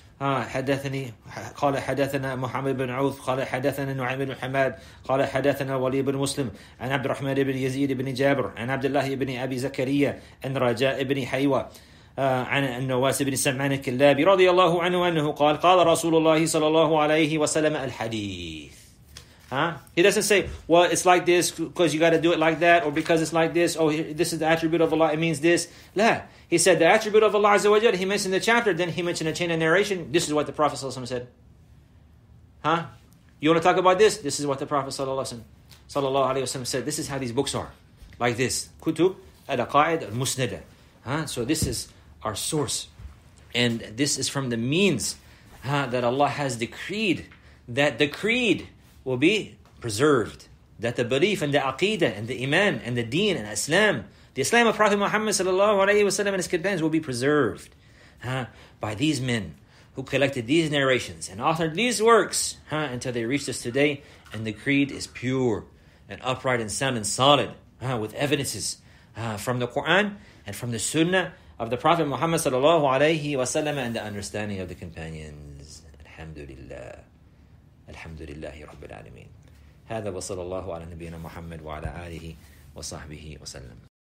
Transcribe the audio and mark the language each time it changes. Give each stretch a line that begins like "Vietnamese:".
Arabic: حدثني قال حدثنا محمد بن عوف قال حدثنا نعيم بن حماد قال حدثنا ولي بن مسلم عن عبد الرحمن بن يزيد بن جابر عن عبد الله بن أبي زكريا عن رجاء بن حيوة عن النواس بن سمعان الكلابي رضي الله عنه أنه قال قال رسول الله صلى الله عليه وسلم الحديث.
English: He doesn't say, well, it's like this because you got to do it like that, or because it's like this, oh, this is the attribute of Allah, it means this. La. He said, the attribute of Allah Azza wa Jal, he mentioned the chapter, then he mentioned a chain of narration. This is what the Prophet ﷺ said. Huh? You want to talk about this? This is what the Prophet ﷺ said. This is how these books are. Like this.
Arabic: Kutub al-Aqaid al-Musnada.
English: So this is our source. And this is from the means that Allah has decreed that the creed will be preserved. That the belief and the aqeedah and the iman and the deen and Islam, the Islam of Prophet Muhammad sallallahu alayhi wa sallam and his companions will be preserved by these men who collected these narrations and authored these works until they reached us today. And the creed is pure and upright and sound and solid with evidences from the Quran and from the Sunnah of the Prophet Muhammad sallallahu alayhi wa sallam and the understanding of the companions.
Arabic: Alhamdulillah. Alhamdulillahi Rabbil Alameen. هذا وصلى الله على نبينا محمد وعلى آله وصحبه وسلم.